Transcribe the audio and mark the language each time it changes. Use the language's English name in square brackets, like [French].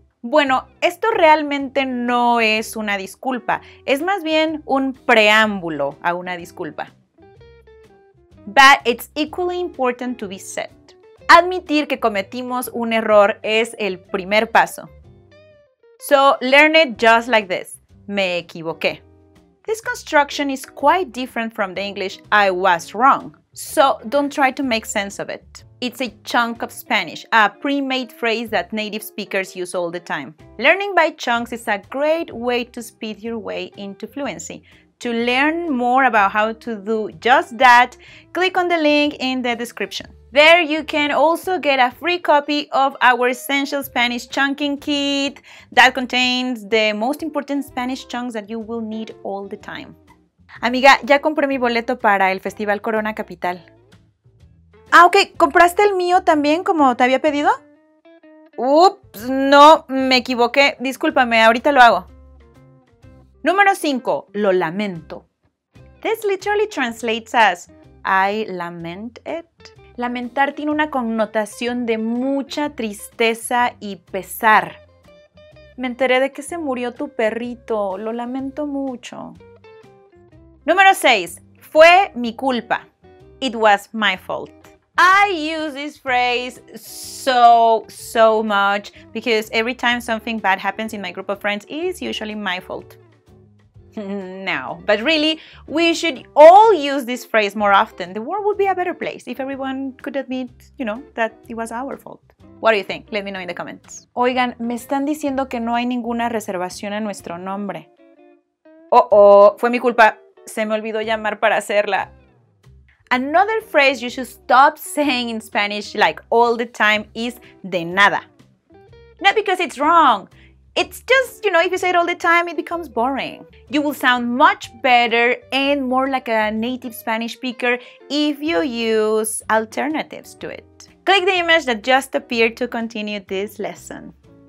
[Spanish] Bueno, esto realmente no es una disculpa, es más bien un preámbulo a una disculpa. [English] But it's equally important to be said. [Spanish] Admitir que cometimos un error es el primer paso. [English] So, learn it just like this. [Spanish] Me equivoqué. [English] This construction is quite different from the English I was wrong. So, don't try to make sense of it. It's a chunk of Spanish, a pre-made phrase that native speakers use all the time. Learning by chunks is a great way to speed your way into fluency. To learn more about how to do just that, click on the link in the description. There you can also get a free copy of our Essential Spanish Chunking Kit that contains the most important Spanish chunks that you will need all the time. [Spanish] Amiga, ya compré mi boleto para el Festival Corona Capital. Ah, ok, ¿compraste el mío también como te había pedido? Ups, no, me equivoqué. Discúlpame, ahorita lo hago. Número 5. Lo lamento. [English] This literally translates as I lament it. [Spanish] Lamentar tiene una connotación de mucha tristeza y pesar. Me enteré de que se murió tu perrito. Lo lamento mucho. Número 6. Fue mi culpa. [English] It was my fault. I use this phrase so much because every time something bad happens in my group of friends, it is usually my fault. No, but really, we should all use this phrase more often. The world would be a better place if everyone could admit, you know, that it was our fault. What do you think? Let me know in the comments. [Spanish] Oigan, me están diciendo que no hay ninguna reservación en nuestro nombre. Oh, fue mi culpa. Se me olvidó llamar para hacerla. [English] Another phrase you should stop saying in Spanish like all the time is de nada. Not because it's wrong. It's just, you know, if you say it all the time, it becomes boring. You will sound much better and more like a native Spanish speaker if you use alternatives to it. Click the image that just appeared to continue this lesson.